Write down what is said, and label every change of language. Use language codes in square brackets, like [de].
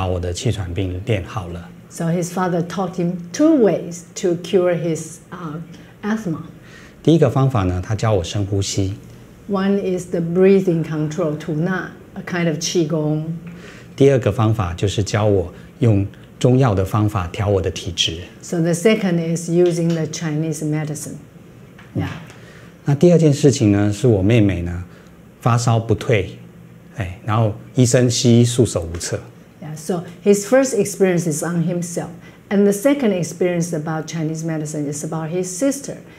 [zh] 那我父亲教我两个方法把我的气喘病练好了。 [en] So his father taught him two ways to cure his asthma. [zh] 第一个方法呢, 他教我深呼吸。 [en] One is the breathing control, 吐纳, a kind of qigong. [zh] 第二个方法就是教我用中药的方法调我的体质。 [en] So the second is using the Chinese medicine. Yeah. [zh] 那第二件事情呢, 是我妹妹呢, 发烧不退, 哎, 然后医生西医, 束手无策。 [en] Yeah, so his first experience is on himself. And the second experience about Chinese medicine is about his sister.